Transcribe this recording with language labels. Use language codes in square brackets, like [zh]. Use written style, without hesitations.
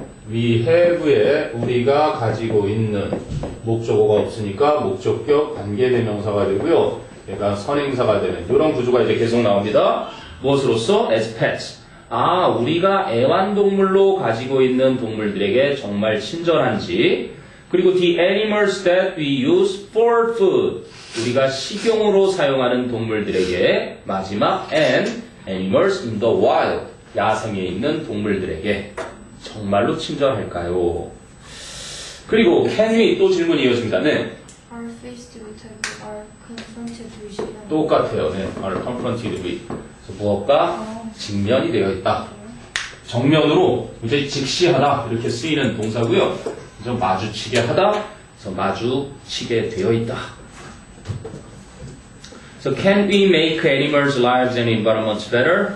[ko] We have에 우리가 가지고 있는 목적어가 없으니까 목적격 관계대명사가 되고요. 얘가 선행사가 되는 이런 구조가 이제 계속 나옵니다. [en] 무엇으로서? As pets. [ko] 아, 우리가 애완동물로 가지고 있는 동물들에게 정말 친절한지. [en] 그리고 the animals that we use for food. [ko] 우리가 식용으로 사용하는 동물들에게 마지막 [en] and animals in the wild [ko] 야생에 있는 동물들에게 정말로 친절할까요? 그리고 can we 또 질문이 이어집니다. 네. [en] Are faced with confronted with [ko] 똑같아요. 네. [en] Are confronted with [ko] 그래서 무엇과 직면이 되어 있다. 정면으로 이제 직시하다 이렇게 쓰이는 동사고요. 그래서 마주치게 하다. 그래서 마주치게 되어 있다. [en] So can we make animals' lives and environments better?